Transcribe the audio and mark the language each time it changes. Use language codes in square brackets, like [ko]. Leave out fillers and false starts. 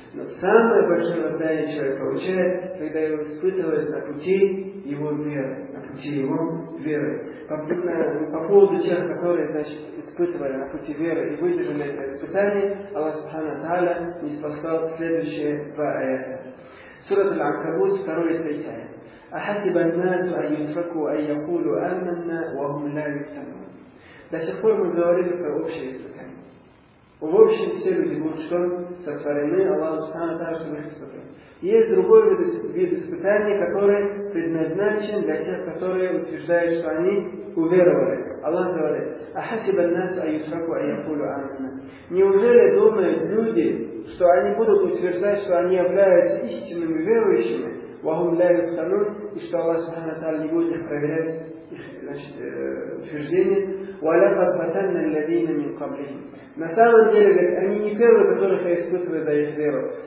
[ru] Но самое большое воздание человек получает, когда его испытывают на пути его веры, на пути его веры. По поводу тех, которые, значит, испытывали на пути веры и выдержали это испытание, Аллах Субхану Тааля ниспослал следующие два аята. Сура Аль-Анкабут, 2 и 3 аят. [ar] أحسب الناس أن يتركوا أن يقولوا آمنا وهم لا يفتنون. [ru] До сих пор мы говорили про общее испытание. В общем, все люди будут что? Сотворены Аллаху Субхану Тааля, чтобы их испытать. Есть другой вид испытаний, который предназначен для тех, которые утверждают, что они уверовали. Аллах говорит: [ar] أحسب الناس أن يتركوا أن يقولوا آمنا. [ru] Неужели думают люди, что они будут утверждать, что они являются истинными верующими? [ar] وَهُمْ لَا يُبْتَلُونَ, [ru] и что Аллах Субхану Тааля не будет их проверять, их, значит, утверждение. [ar] وَلَقَدْ فَتَنَّ الَّذِينَ مِنْ قَبْلِهِمْ. [ru] На самом деле, говорит, они не первые, которых я испытываю за их веру.